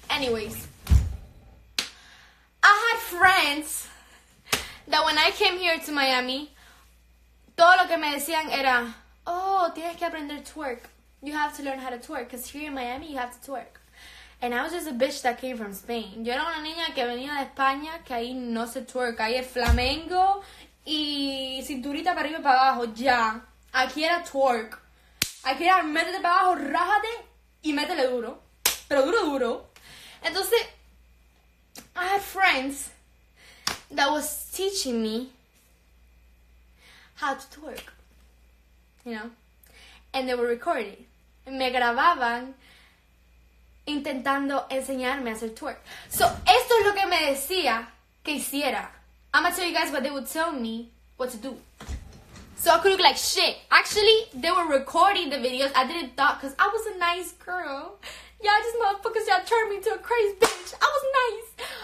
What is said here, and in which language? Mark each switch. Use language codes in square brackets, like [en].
[en] Anyways. I had friends that when I came here to Miami, todo lo que me decían era, oh, tienes que aprender twerk. You have to learn how to twerk, because here in Miami, you have to twerk. And I was just a bitch that came from Spain. [es] Yo era una niña que venía de España, que ahí no se twerk. Ahí es flamenco y cinturita para arriba y para abajo, ya. Yeah. Aquí era twerk. Aquí era métete para abajo, rájate y métele duro. Pero duro, duro. [en] Entonces, I had friends that was teaching me how to twerk, you know? [es] And they were recording. Me grababan intentando enseñarme a hacer twerk. So, esto es lo que me decía que hiciera. [en] I'm gonna tell you guys what they would tell me what to do. So, I could look like shit. Actually, they were recording the videos. I didn't thought because I was a nice girl. Y'all just motherfuckers, y'all turned me into a crazy bitch. I was nice.